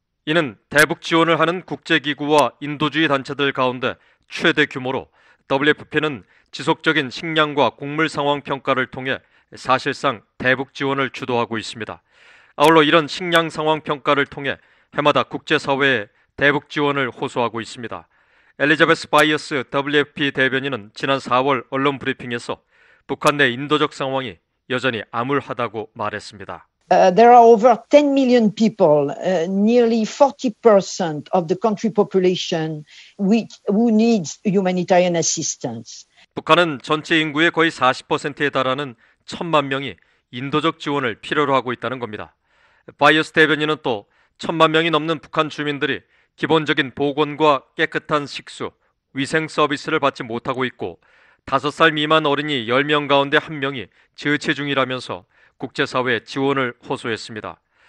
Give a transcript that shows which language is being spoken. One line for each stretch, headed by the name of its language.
Korean: 이는 대북 지원을 하는 국제기구와 인도주의 단체들 가운데 최대 규모로 WFP는 지속적인 식량과 곡물 상황 평가를 통해 사실상 대북 지원을 주도하고 있습니다. 아울러 이런 식량 상황 평가를 통해 해마다 국제사회에 대북 지원을 호소하고 있습니다. 엘리자베스 바이어스 WFP 대변인은 지난 4월 언론 브리핑에서 북한 내 인도적 상황이 여전히 암울하다고 말했습니다.
English: There are over 10 million people, nearly 40% of the country population, who needs humanitarian assistance.
Korean: 북한은 전체 인구의 거의 40%에 달하는 천만 명이 인도적 지원을 필요로 하고 있다는 겁니다. 바이어스 대변인은 또 천만 명이 넘는 북한 주민들이 기본적인 보건과 깨끗한 식수, 위생 서비스를 받지 못하고 있고 5살 미만 어린이 10명 가운데 1명이 저체 중이라면서 국제사회에 지원을 호소했습니다.